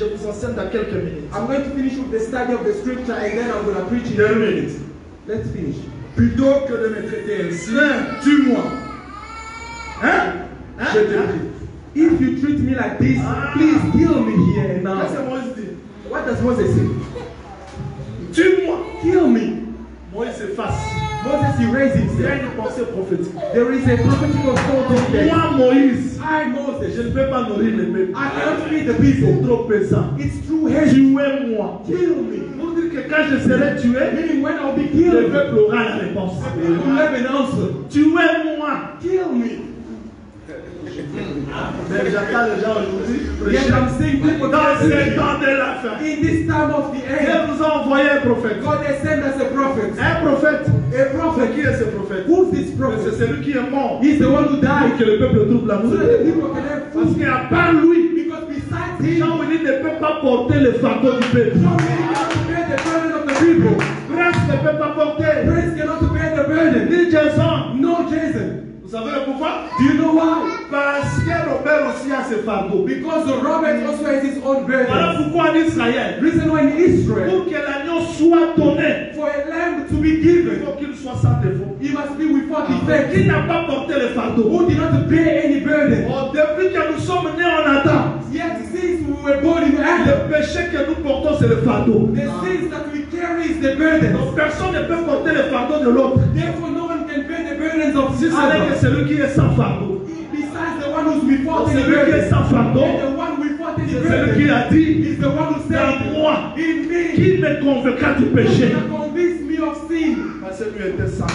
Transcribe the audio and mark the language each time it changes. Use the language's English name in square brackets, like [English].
[English] I'm going to finish with the study of the scripture and then I'm going to preach it. 10 minutes. Let's finish. [French] Plutôt que de me traiter ainsi, tue-moi. Hein? Je te dis. [English] If you treat me like this, please kill me here and now. What does Moses say? [French] Tue-moi. [English] Kill me. [French] Moïse efface. [English] Moses, he raises [French] it. Une pensée prophétique. [English] There is a prophetic of God. [French] Moi, Moïse. [English] I, Moses. [French] Je ne peux pas nourrir les peuples. [English] I can't feed the people. [French] C'est trop pesant. [English] It's too heavy. [French] Tuez-moi. [English] Kill me. [French] Vous dites que quand je serai tué, [English] meaning when I'll be killed, [French] le peuple aura la réponse. [English] You have an answer. [French] Tuez-moi. [English] Kill me. [French] Mais j'attends les gens aujourd'hui. [English] Yet I'm seeing people [French] dans ce temps de la fin. [English] In this time of the end. [French] Dieu nous a envoyé un prophète. [English] God has sent us a prophet. [French] Un prophète. [English] A prophet. [French] Qui est ce prophète? [English] Who is this prophet? [French] C'est celui qui est mort. [English] He's the one who died. [French] Pour que le peuple trouve l'amour. [English] So that the people can have food. [French] Parce qu'à part lui. [English] Because besides him. [French] Jean Willy ne peut pas porter le fardeau du peuple. [English] Jean Willy cannot bear the burden of the people. [French] Prince ne peut pas porter. [English] Prince cannot bear the burden. [French] Ni Jason. [English] No Jason. [French] Vous savez pourquoi? [English] Do you know why? [French] Parce que Robert aussi a ses fardeaux. [English] Because the Robert also has his own burden. [French] Voilà pourquoi en Israël. [English] Reason why in Israel. [French] Pour que l'agneau soit donné. [English] For a lamb to be given. [French] Il faut qu'il soit sans défaut. [English] He must be without defect. [French] Qui n'a pas porté le fardeau? [English] Who did not bear any burden? [French] Oh, depuis que nous sommes nés en Adam. [English] Yet since we were born in Adam. [French] Le péché que nous portons c'est le fardeau. [English] The sins that we carry is the burden. [French] Donc personne ne peut porter le fardeau de l'autre. [English] Therefore no one can bear the burdens of [French] sin. Celui qui est sans fardeau. [English] Besides the one who's before the burden. [French] Celui qui est sans fardeau. [English] The one before the [French] burden. Celui qui a dit. [English] Is the one who said. [French] Moi. [English] In me. [French] Qui me convaincra du péché? [English] Who can convince me of sin? [French] Parce que lui était sans.